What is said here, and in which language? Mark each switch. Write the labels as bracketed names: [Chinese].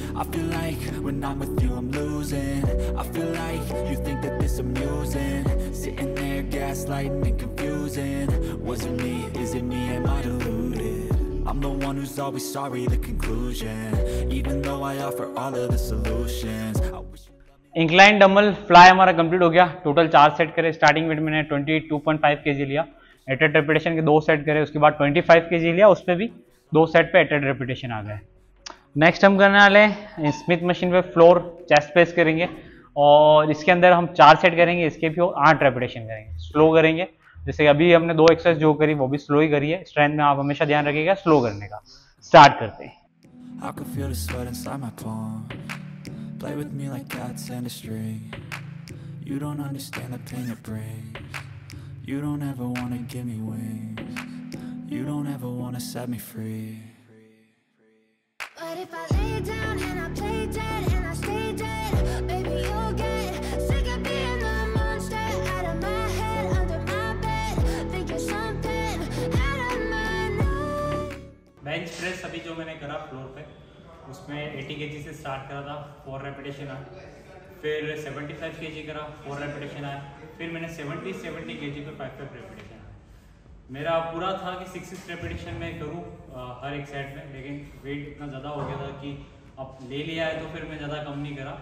[English] I feel like when I'm with you I'm losing. I feel like you think that this amusing. Sitting there gaslighting and confusing. Was it me? Is it me? Am I deluded? I'm the one who's always sorry, the conclusion. Even though I offer all of the solutions. [Hindi] Incline dumbbell fly हमारा complete हो गया। Total चार set करे। Starting wait मैंने 22.5 KG लिया। एटेड repetition के दो set करे, उसके बाद 25 केजी लिया, उस पर भी दो सेट पे एटेड रेपिटेशन आ गए। नेक्स्ट हम करने वाले हैं स्मिथ मशीन पे फ्लोर चेस्ट प्रेस करेंगे और इसके अंदर हम चार सेट करेंगे, इसके भी 8 रेपिटेशन करेंगे, स्लो करेंगे। जैसे अभी हमने दो एक्सरसाइज जो करी वो भी स्लो ही करी है। स्ट्रेंथ में आप हमेशा ध्यान रखिएगा स्लो करने का। स्टार्ट करते हैं। [English] Play with me like cats and a string. You don't understand the pain it brings. You don't ever wanna give me wings. You don't ever wanna set me free. But if I lay down and I play dead and I stay dead, baby you'll get sick of being the monster. Out of my head, under my bed, think you're something out of my nightmares. [Hindi] Bench press अभी जो मैंने करा floor पे, उसमें 80 KG से start करा था, 4 repetition आया, फिर 75 केजी करा, 4 रेपिटेशन आया, फिर मैंने 70 केजी पे 5 रेपिटेशन आया। मेरा पूरा था कि 6 रेपिटेशन में करूँ हर एक सेट में, लेकिन वेट इतना ज़्यादा हो गया था कि अब ले लिया है तो फिर मैं ज़्यादा कम नहीं करा।